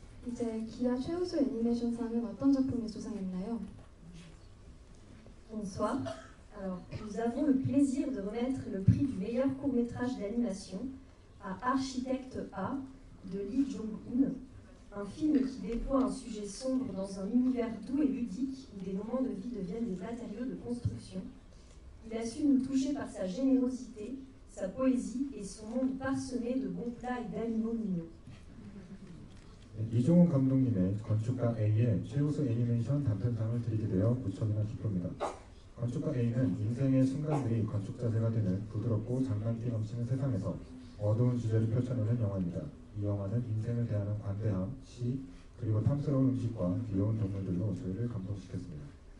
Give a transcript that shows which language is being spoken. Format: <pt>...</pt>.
<ko>이제 기아 최우수 애니메이션상은 어떤 작품이 수상했나요?</ko> <fr>Bonsoir. Alors, nous avons le plaisir de remettre le prix du meilleur court-métrage d'animation à Architecte A de Lee Jong-un, un film qui déploie un sujet sombre dans un univers doux et ludique où des moments de vie deviennent des matériaux de construction. Il a su nous toucher par sa générosité, sa poésie et son monde parsemé de bons plats et d'animaux mignons.</fr> <ko>이종훈 감독님의 건축가 A의 최우수 애니메이션 단편상을 드리게 되어 무척이나 기쁩니다. 건축가 A는 인생의 순간들이 건축 자세가 되는 부드럽고 장난기 넘치는 세상에서 어두운 주제를 펼쳐내는 영화입니다. 이 영화는 인생을 대하는 관대함, 시, 그리고 탐스러운 음식과 귀여운 동물들로 저희를 감동시켰습니다.</ko>